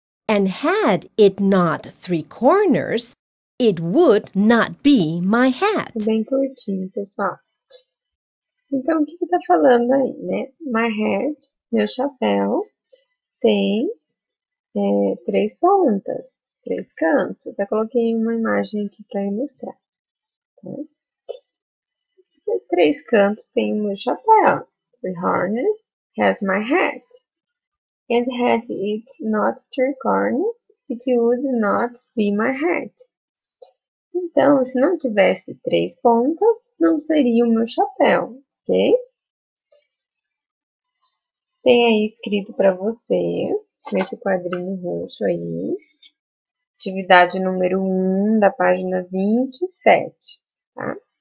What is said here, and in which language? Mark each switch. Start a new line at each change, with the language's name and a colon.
English: And had it not three corners, it would not be my hat.
Portuguese: Bem curtinho, pessoal. Então, o que está falando aí, né?
English: My hat,
Portuguese: meu chapéu, tem três pontas, três cantos. Até coloquei uma imagem aqui para ilustrar. Tá? Três cantos tem meu chapéu.
English: Three horns has my hat. And had it not three corners, it would not be my hat.
Portuguese: Então, se não tivesse três pontas, não seria o meu chapéu, ok? Tem aí escrito para vocês, nesse quadrinho roxo aí, atividade número 1 da página 27, tá?